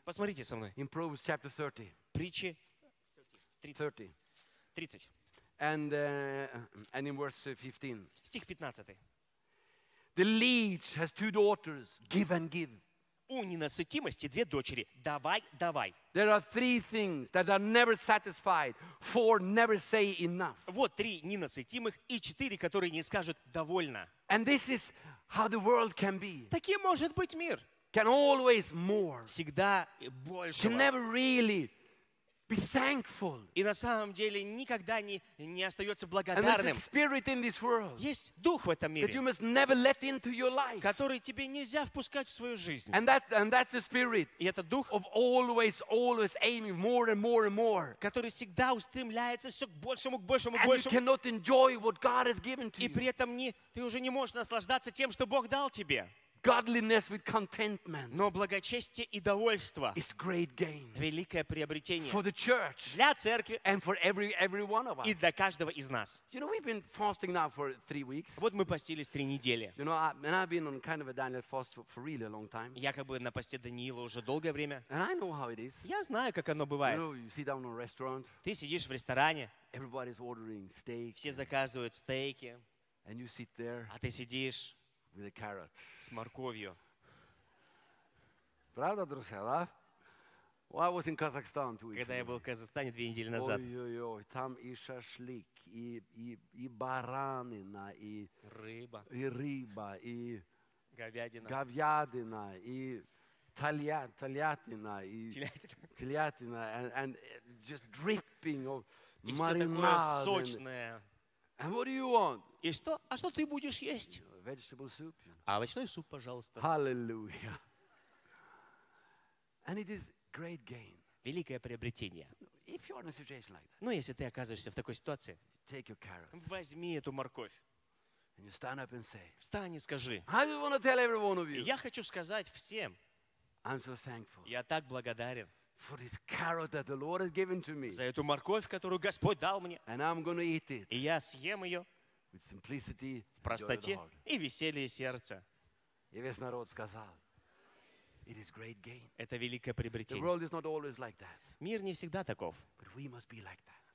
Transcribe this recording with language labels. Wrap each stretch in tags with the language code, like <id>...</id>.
<ru>Посмотрите со мной.</ru> <en>In Proverbs chapter 30.</en> <ru>Притчи 30.</ru> <en>And in verse 15.</en> <ru>Стих 15.</ru> <en>The leech has two daughters. Give and give.</en> <ru>У ненасытимости две дочери. Давай, давай.</ru> <en>There are three things that are never satisfied. Four never say enough.</en> <ru>Вот три ненасытимых и четыре, которые не скажут довольно.</ru> <en>And this is how the world can be.</en> <ru>Таким может быть мир.</ru> <en>Can always more.</en> <ru>Всегда больше.</ru> <en>Can never really. Be thankful.</en> <ru>И на самом деле никогда не остается благодарным.</ru> <en>And there's a spirit in this world.</en> <ru>Есть дух в этом мире.</ru> <en>That you must never let into your life.</en> <ru>Который тебе нельзя впускать в свою жизнь.</ru> <en>And that's the spirit.</en> <ru>И это дух.</ru> <en>Of always aiming more and more and more.</en> <ru>Который всегда устремляется все к большему, к большему,</ru> <en>and</en> <ru>к большему.</ru> <en>And you cannot enjoy what God has given to you.</en> <ru>И при этом ты уже не можешь наслаждаться тем, что Бог дал тебе.</ru> <en>Godliness with contentment.</en> <ru>Но благочестие и довольство.</ru> <en>Is great gain.</en> <ru>Великое приобретение.</ru> <en>For the church.</en> <ru>Для церкви.</ru> <en>And for every one of us.</en> <ru>И для каждого из нас.</ru> <en>You know, we've been fasting now for 3 weeks.</en> <ru>Вот мы постились 3 недели.</ru> <en>You know, and I've been on kind of a Daniel fast for really a long time.</en> <ru>Я как бы на посте Даниила уже долгое время.</ru> <en>And I know how it is.</en> <ru>Я знаю, как оно бывает.</ru> <en>You know, you sit down in a restaurant.</en> <ru>Ты сидишь в ресторане.</ru> <en>Everybody's ordering steak.</en> <ru>Все заказывают стейки.</ru> <en>And you sit there.</en> <ru>А ты сидишь.</ru> <en>With a carrot.</en> <ru>С морковью. Правда, друзья, да?</ru> <en>Well, I was in Kazakhstan 2 weeks</en> <ru>ago. Когда я был в Казахстане 2 недели назад. Ой-ой-ой, там и шашлык, и баранина, и рыба. И рыба, и говядина. Говядина, и тальятина, и телятина,</ru> <en>and just dripping of marinade.</en> <ru>И всё такое сочное.</ru> <en>And what do you want?</en> <ru>И что? А что ты будешь есть?</ru> <en>Vegetable soup.</en> <ru>Овощной суп, пожалуйста.</ru> <en>Hallelujah. And it is great gain.</en> <ru>Великое приобретение.</ru> <en>If you're in a situation like that.</en> <ru>Ну, если ты оказываешься в такой ситуации.</ru> <en>Take your carrot.</en> <ru>Возьми эту морковь.</ru> <en>And you stand up and say.</en> <ru>Встань и скажи.</ru> <en>I just want to tell every one of you.</en> <ru>Я хочу сказать всем.</ru> <en>I'm so thankful.</en> <ru>Я так благодарен.</ru> <en>For this carrot that the Lord has given to me.</en> <ru>За эту морковь, которую Господь дал мне.</ru> <en>And I'm going to eat it.</en> <ru>И я съем ее.</ru> <en>With simplicity,</en> <ru>в простоте и веселье сердца. И весь народ сказал,</ru> <en>it is great gain.</en> <ru>Это великое приобретение.</ru> <en>The world is not always like that.</en> <ru>Мир не всегда таков.</ru> <en>But we must be like that.</en>